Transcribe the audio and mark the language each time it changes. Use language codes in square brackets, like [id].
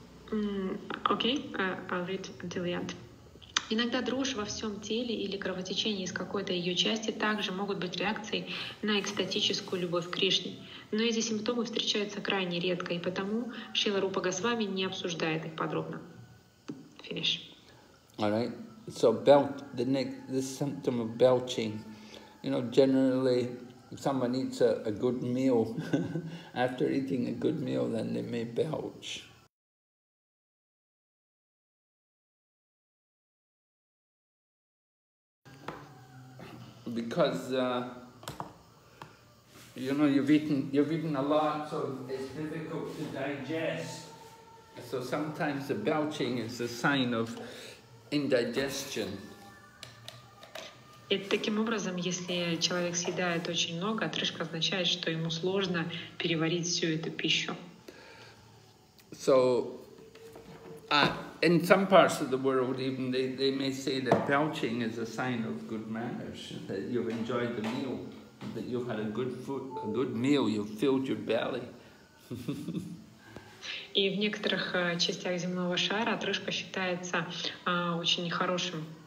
[en] I'll read until the end. [ru] Иногда дрожь во всем теле или кровотечение из какой-то ее части также могут быть реакцией на экстатическую любовь к Кришне. Но эти симптомы встречаются крайне редко, и потому Шрила Рупа Госвами не обсуждает их подробно. [en] Finish. All right. So the symptom of belching, you know, generally, if someone eats a good meal, after eating a good meal, then they may belch. Because, you know, you've eaten a lot, so it's difficult to digest. So sometimes the belching is a sign of indigestion. [ru] И таким образом, если человек съедает очень много, отрыжка означает, что ему сложно переварить всю эту пищу. [en] So, in some parts of the world, even they may say that belching is a sign of good manners, that you've enjoyed the meal, that you've had a good meal, you've filled your belly. [ru] И в некоторых частях земного шара отрыжка считается очень хорошим.